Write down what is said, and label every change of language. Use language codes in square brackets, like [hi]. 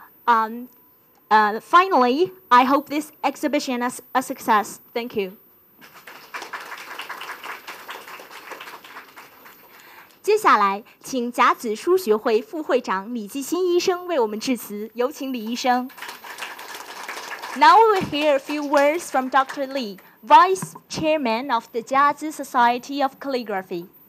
[en] Finally, I hope this exhibition is a success. Thank you. [zh] 接下来请甲子书学会副会长李纪欣医生为我们致辞，有请李医生。 [en] Now we will hear a few words from Dr. Li, Vice Chairman of the Jiazi Society of Calligraphy.